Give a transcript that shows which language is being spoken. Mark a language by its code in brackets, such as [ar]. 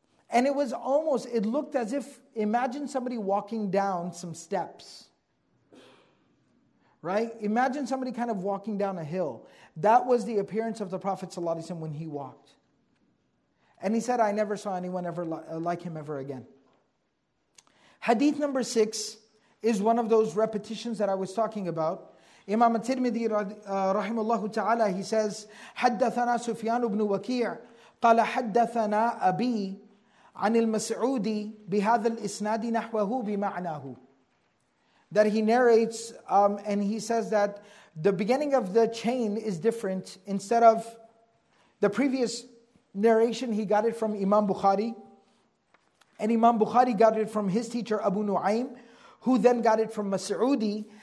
[en] And it was almost, it looked as if, imagine somebody walking down some steps. Right? Imagine somebody kind of walking down a hill. That was the appearance of the Prophet ﷺ when he walked. And he said, I never saw anyone ever like him ever again. Hadith number 6 is one of those repetitions that I was talking about. [ar] Imam al-Tirmidhi rahimahullahu ta'ala, he says, حَدَّثَنَا سُفْيَانُ بْنُ وَكِيعٍ قَالَ حَدَّثَنَا أَبِي عَنِ الْمَسْعُودِ بِهَذَا الْإِسْنَادِ نَحْوَهُ بِمَعْنَاهُ. [en] That he narrates, and he says that the beginning of the chain is different. Instead of the previous narration, he got it from Imam Bukhari. And Imam Bukhari got it from his teacher Abu Nu'aym, who then got it from Mas'udi.